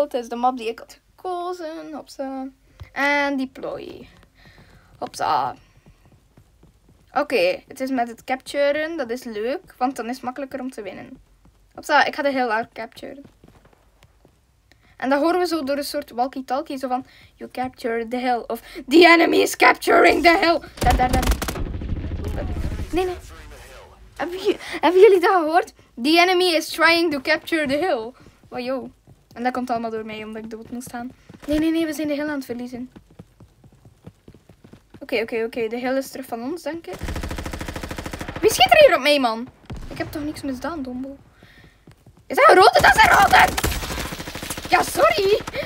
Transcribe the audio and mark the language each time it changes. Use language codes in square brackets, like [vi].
[nl] Het is de map die ik had gekozen. Hopsa. En deploy. Hopsa. Oké, het is met het capturen. Dat is leuk, want dan is het makkelijker om te winnen. Hopsa, ik ga de heel hard capturen. En dan horen we zo door een soort walkie-talkie. Zo van, [en] you capture the hill. [nl] Of, [en] the enemy is capturing the hill. [nl] Daar. Nee. Hebben jullie dat gehoord? [en] The enemy is trying to capture the hill. Wow, yo. [nl] En dat komt allemaal door mij, omdat ik dood moet staan. Nee, we zijn de hill aan het verliezen. Oké. De hill is terug van ons, denk ik. Wie schiet er hier op mij, man? Ik heb toch niks misdaan, dombo. Is dat een rode? Dat is een rode! Ja, sorry.